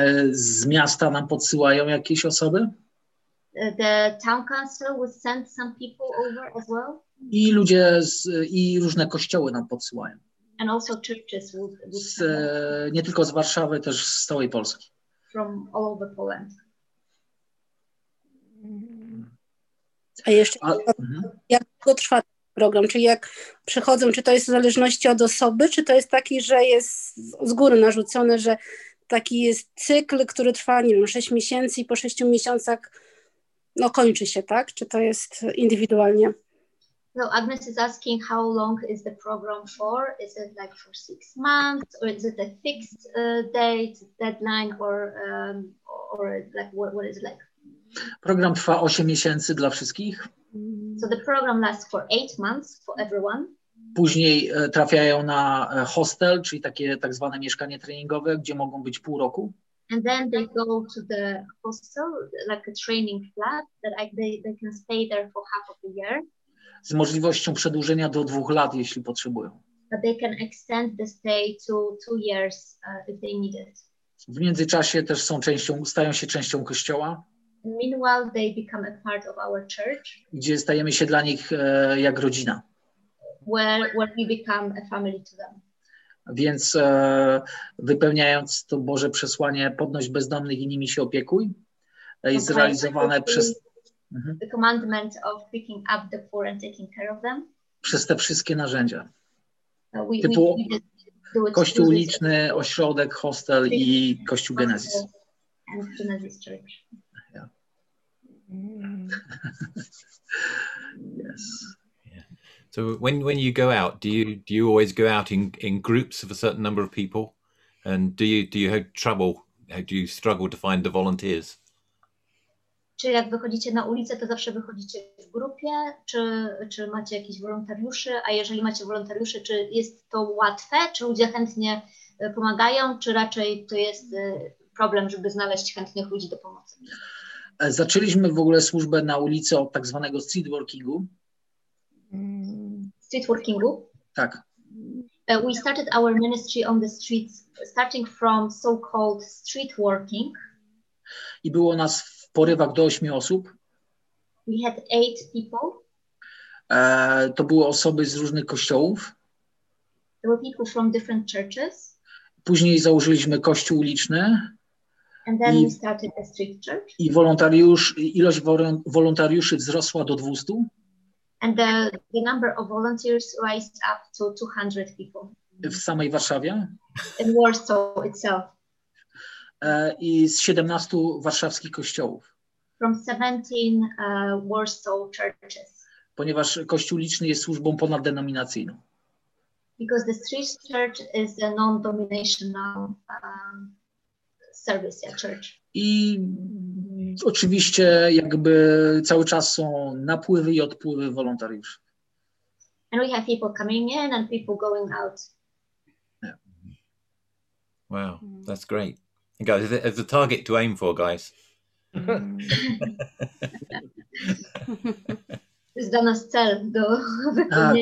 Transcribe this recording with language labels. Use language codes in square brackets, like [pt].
[pl] Z miasta nam podsyłają jakieś osoby. [en] The town council will send some people over as well. [pl] I ludzie i różne kościoły nam podsyłają. [en] And also churches with [pl] nie tylko z Warszawy, też z całej Polski. [en] From all over Poland. [pl] A jeszcze jak długo trwa program? Czyli jak przychodzą, czy to jest w zależności od osoby, czy to jest taki, że jest z góry narzucone, że taki jest cykl, który trwa, nie wiem, 6 miesięcy i po 6 miesiącach no, kończy się, tak? Czy to jest indywidualnie? [en] So Agnes is asking how long is the program for? Is it like for 6 months or is it a fixed date, deadline or like what is it like? [pl] Program trwa 8 miesięcy dla wszystkich. [en] So the program lasts for 8 months for everyone. [pl] Później trafiają na hostel, czyli takie tak zwane mieszkanie treningowe, gdzie mogą być pół roku. [en] And then they go to the hostel, like a training flat, that they can stay there for half of the year. [pl] Z możliwością przedłużenia do 2 lat, jeśli potrzebują. [en] But they can extend the stay to 2 years if they need it. [pl] W międzyczasie też są częścią, stają się częścią kościoła. [en] And meanwhile, they become a part of our church. [pl] Gdzie stajemy się dla nich jak rodzina. [en] Where we become a family to them. [pl] Więc wypełniając to Boże przesłanie, podnoś bezdomnych i nimi się opiekuj, jest realizowane przez... [en] The commandment of picking up the poor and taking care of them. [pl] Przez te wszystkie narzędzia. Typu kościół uliczny, ośrodek, hostel i kościół Genesis. [en] And Genesis Church. Yeah. Yes. So when you go out, do you always go out in groups of a certain number of people, and do you struggle to find the volunteers? [pl] Czy jak wychodzicie na ulicę, to zawsze wychodzicie w grupie, czy macie jakieś wolontariuszy, a jeżeli macie wolontariuszy, czy jest to łatwe, czy ludzie chętnie pomagają, czy raczej to jest problem, żeby znaleźć chętnych ludzi do pomocy? Zaczęliśmy w ogóle służbę na ulicy od tak zwanego street workingu. Street workingu? Tak. [en] We started our ministry on the streets, starting from so-called street working. [pl] I było nas w porywach do 8 osób. [en] We had 8 people. [pl] To były osoby z różnych kościołów. [en] There were people from different churches. [pl] Później założyliśmy kościół uliczny. [en] And then we started a street church. [pl] I ilość wolontariuszy wzrosła do 200. [en] And the number of volunteers raised up to 200 people. [pl] W samej Warszawie? [en] In Warsaw itself. [pl] I z 17 warszawskich kościołów. [en] From 17 Warsaw churches. [pl] Ponieważ kościół uliczny jest służbą ponaddenominacyjną. [en] Because the street church is a non-denominational service, yeah, church. [pl] I oczywiście jakby cały czas są napływy i odpływy wolontariuszy. [en] And we have people coming in and people going out. Yeah. Wow, that's great. Guys, it's a target to aim for, guys. [pl] To jest dla nas cel do wykonania.